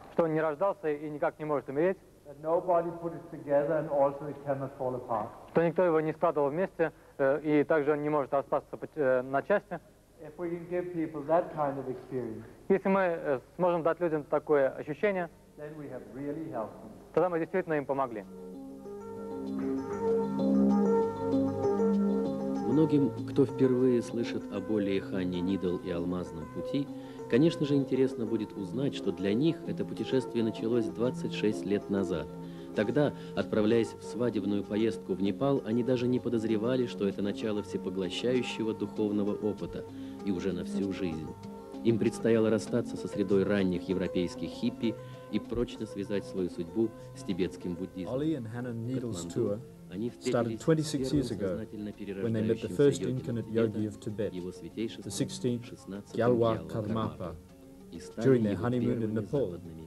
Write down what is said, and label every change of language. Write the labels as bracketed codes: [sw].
[ru] что он не рождался и никак не может умереть, что никто его не складывал вместе и также он не может распасться на части. [en] If we can give people that kind of experience, [ru] если мы сможем дать людям такое ощущение, [en] then we have really helped them. [ru] Тогда мы действительно им помогли. Многим, кто впервые слышит о Оле Ханне Нидахл и алмазном пути, конечно же, интересно будет узнать, что для них это путешествие началось 26 лет назад. Тогда, отправляясь в свадебную поездку в Непал, они даже не подозревали, что это начало всепоглощающего духовного опыта, и уже на всю жизнь. Им предстояло расстаться со средой ранних европейских хиппи и прочно связать свою судьбу с тибетским буддизмом. [en] Оле и Ханна Нидахл's tour started 26 years ago, when they met the first incarnate yogi of Tibet, the 16th Gyalwa Karmapa, during their honeymoon in Nepal.